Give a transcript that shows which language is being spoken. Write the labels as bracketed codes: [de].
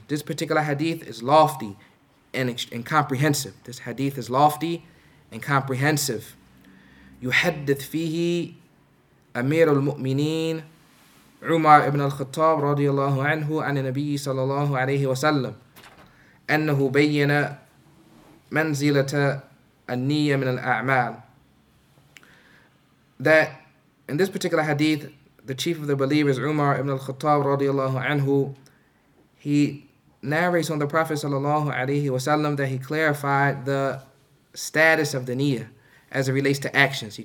[en] This particular hadith is lofty and comprehensive. This hadith is lofty and comprehensive. [ar] يحدث فيه أمير المؤمنين عمر بن الخطاب رضي الله عنه عن النبي صلى الله عليه وسلم أنه بين منزلة النية من الأعمال. [en] That in this particular hadith, the chief of the believers, Umar ibn al-Khattab radiallahu anhu, he narrates on the Prophet sallallahu alayhi wa sallam that he clarified the status of the niyyah as it relates to actions.